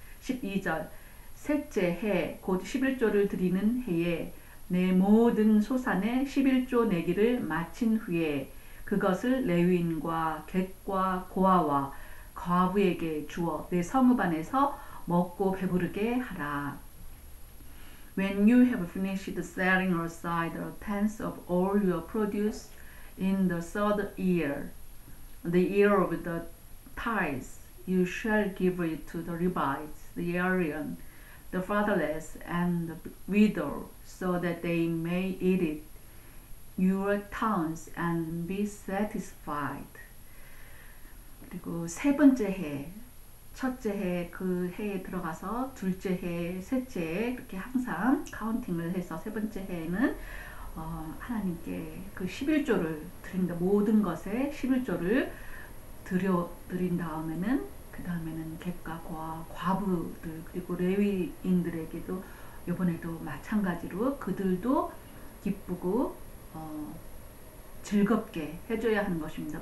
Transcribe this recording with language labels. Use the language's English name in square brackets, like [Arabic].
[Korean] 12절, 셋째 해, 곧 십일조를 드리는 해에 내 모든 소산의 십일조 내기를 마친 후에 그것을 레위인과 객과 고아와 과부에게 주어 내 성읍 안에서 먹고 배부르게 하라. [English] When you have finished setting aside the tenth of all your produce in the third year, the year of the tithes, you shall give it to the Levites, the alien, the fatherless, and the widow, so that they may eat it, your towns, and be satisfied. [Korean] 그리고 세 번째 해, 첫째 해, 그 해에 들어가서 둘째 해, 셋째 해, 이렇게 항상 카운팅을 해서 세 번째 해에는 하나님께 그 십일조를 드린다. 모든 것에 십일조를 드린 다음에는, 그 다음에는 객과 고아, 과부들, 그리고 레위인들에게도 요번에도 마찬가지로 그들도 기쁘고 즐겁게 해줘야 하는 것입니다.